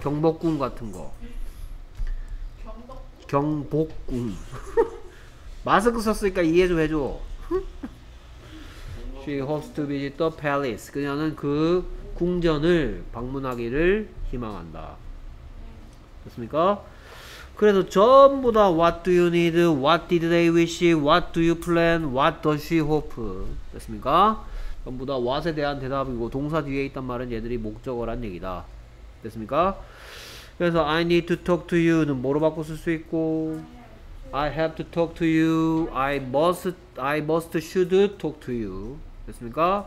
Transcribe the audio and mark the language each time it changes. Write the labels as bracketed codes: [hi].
[ko] 경복궁 같은 거. 경복궁. 마스크 썼으니까 이해 좀 해줘. [en] She hopes to visit the palace. [ko] 그녀는 그 궁전을 방문하기를 희망한다. 됐습니까? 그래서 전부 다 [en] what do you need, what did they wish, what do you plan, what does she hope [ko] 됐습니까? 전부 다 what에 대한 대답이고 동사 뒤에 있단 말은 얘들이 목적어란 얘기다. 됐습니까? 그래서 [en] I need to talk to you [ko] 는 뭐로 바꿔 쓸 수 있고 [en] I have to talk to you, I must should talk to you [ko] 됐습니까?